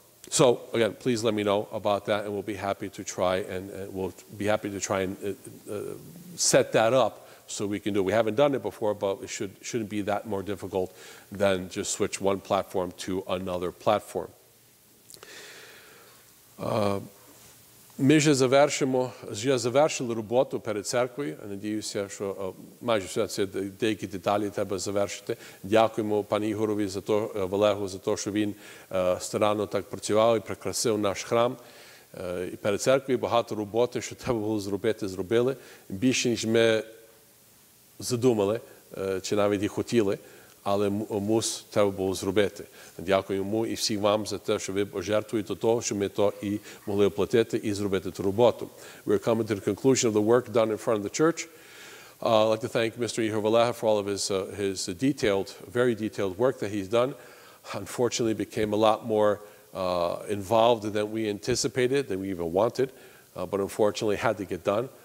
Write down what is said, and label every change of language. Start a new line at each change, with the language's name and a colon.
English: So again, please let me know about that, and we'll be happy to try and set that up so we can do it. We haven't done it before, but it shouldn't be that more difficult than just switch one platform to another platform.
Ukrainian: Ми вже завершимо, вже завершили роботу перед церквою. Надіюся, що майже все це, деякі деталі треба завершити. Дякуємо пану Ігорові Олегу за те, що він старанно так працював і прикрасив наш храм. І перед церквою багато роботи, що треба було зробити, зробили. Більше, ніж ми задумали, чи навіть і хотіли, але мус треба було зробити. Дякую йому і всім вам за те, що ви пожертвуєте до того, що ми то і могли оплатити і зробити ту роботу.
English: We are coming to the conclusion of the work done in front of the church. I'd like to thank Mr. Ihor Valeha for all of his detailed, very detailed work that he's done. Unfortunately, became a lot more involved than we anticipated, than we even wanted, but unfortunately had to get done.